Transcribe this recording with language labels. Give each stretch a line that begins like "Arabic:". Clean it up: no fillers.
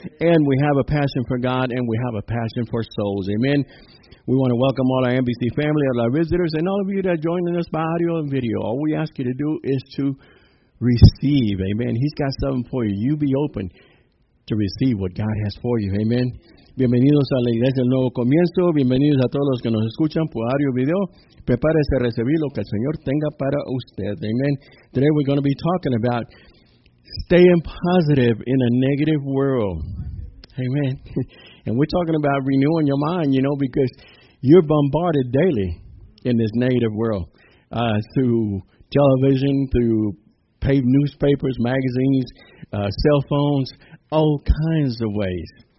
English: And we have a passion for God, and we have a passion for souls. Amen. We want to welcome all our NBC family, all our visitors, and all of you that are joining us by audio and video. All we ask you to do is to receive. Amen. He's got something for you. You be open to receive what God has for you. Amen.
Spanish: Bienvenidos a la Iglesia del Nuevo Comienzo. Bienvenidos a todos los que nos escuchan por audio video. Prepárese a recibir lo que el Señor tenga para usted.
English: Amen. Today we're going to be talking about staying positive in a negative world. Amen. And we're talking about renewing your mind, you know, because you're bombarded daily in this negative world through television, through paid newspapers, magazines, cell phones, all kinds of ways.